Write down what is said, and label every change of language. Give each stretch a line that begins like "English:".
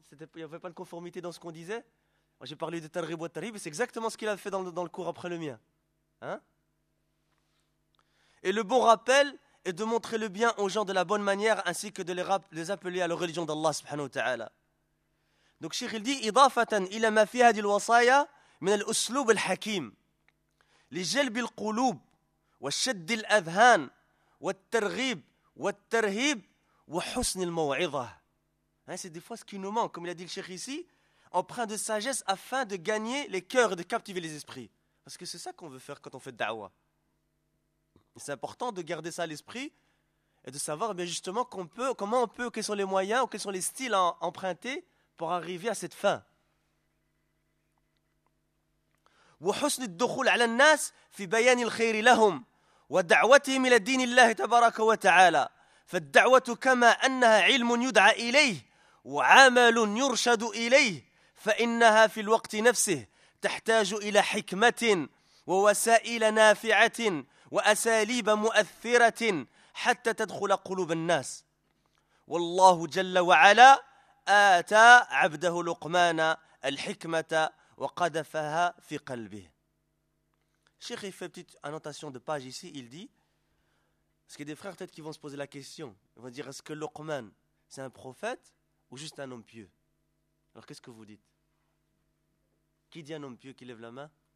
French: Il n'y avait pas de conformité dans ce qu'on disait. Moi, j'ai parlé de tarhib ou de tarhib. Et c'est exactement ce qu'il a fait dans le cours après le mien. Hein? Et le bon rappel est de montrer le bien aux gens de la bonne manière ainsi que de les appeler à la religion d'Allah subhanahu wa ta'ala. Donc, Cheikh, il dit,
Arabic: إضافة إلى ما في هذه الوصايا من الأسلوب الحكيم لجلب القلوب والشد الأذهان والترغيب والترهيب وحسن الموعظة.
French: C'est des fois ce qui nous manque, comme il a dit le Cheikh ici, emprunt de sagesse afin de gagner les cœurs et de captiver les esprits. Parce que c'est ça qu'on veut faire quand on fait da'wa. C'est important de garder ça à l'esprit et de savoir bien justement comment on peut, quels sont les moyens ou quels sont les styles à emprunter pour arriver à cette fin.
Arabic: وحسن الدخول على الناس في بيان الخير لهم ودعوتهم الى دين الله تبارك وتعالى فالدعوه كما انها علم يدعى اليه وعمل يرشد اليه فانها في الوقت نفسه تحتاج الى حكمه ووسائل نافعه واساليب مؤثره حتى تدخل قلوب الناس والله جل وعلا آتا عبده لقمان الحكمة وقذفها في قلبه.
French: Cheikh, il fait une petite annotation de page ici, il dit, parce qu'il y a des frères peut-être qui vont se poser la question, ils vont dire, est-ce que Luqman, c'est un prophète ou juste un homme pieux? Alors qu'est-ce que vous dites? Qui dit un homme pieux qui lève la main?